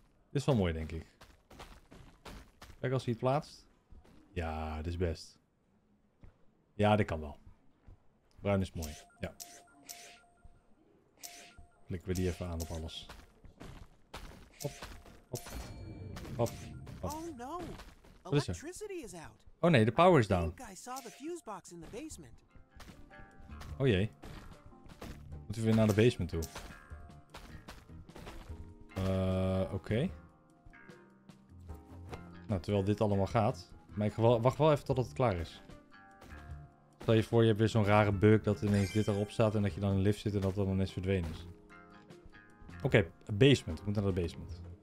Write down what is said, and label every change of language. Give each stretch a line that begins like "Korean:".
Dutch: Dit is wel mooi, denk ik. Kijk als hij het plaatst. Ja, dit is best. Ja, dit kan wel. Bruin is mooi, ja. Klikken we die even aan op alles. Hop, hop, hop, hop.
English: Oh no, electricity is out.
Dutch: Oh nee, de power is down.
English: I saw the fuse box in the basement.
Dutch: Oh jee. Moeten we weer naar de basement toe? Oké. Nou, terwijl dit allemaal gaat. Maar ik wacht wel even totdat het klaar is. Stel je voor, je hebt weer zo'n rare bug dat ineens dit erop staat en dat je dan in de lift zit en dat dat dan ineens verdwenen is. Oké, basement. Ik moet naar de basement.